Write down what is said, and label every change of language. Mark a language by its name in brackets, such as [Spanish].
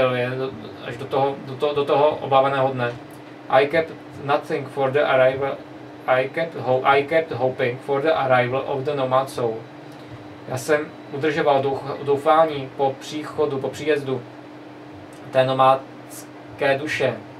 [Czech] Neměl jsem na výběr, než čekat trpělivě. [English] I kept hoping for the arrival of the Nomad Soul. [Czech] Já jsem udržoval doufání po příjezdu té nomádské duše.